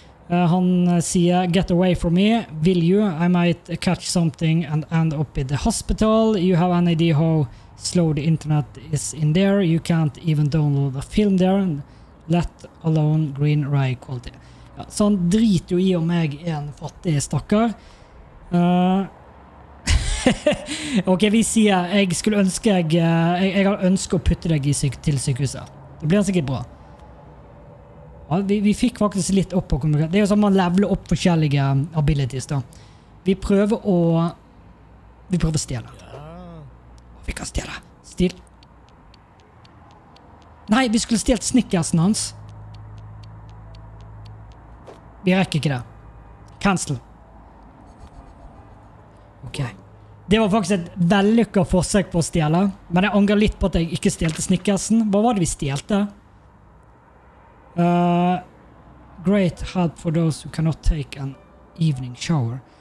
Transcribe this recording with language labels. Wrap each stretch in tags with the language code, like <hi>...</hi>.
<no>Han sier,</no> <en>get away from me, will you? I might catch something and end up in the hospital. You have any idea how slow the internet is in there? You can't even download a film there, let alone green ray quality.</en> <no>Ja, så han driter jo i om jeg er en fattig stakker. Ok, vi sier jeg skulle ønske jeg har ønsket å putte deg til sykehuset. Det blir sikkert bra. Ja, vi fikk faktisk litt opp på kommunikasjon. Det er jo sånn man leveler opp forskjellige abilities da. Vi prøver å stjele. Ja. Vi kan stjele. Stil. Nei, vi skulle stjelt snickersen hans. Vi rekker ikke det. Cancel. Ok. Det var faktisk et vellykket forsøk på å stjele. Men jeg angrer litt på at jeg ikke stjelte snickersen. Hva var det vi stjelte?</no> <en>Great help for those who cannot take an evening shower.</en>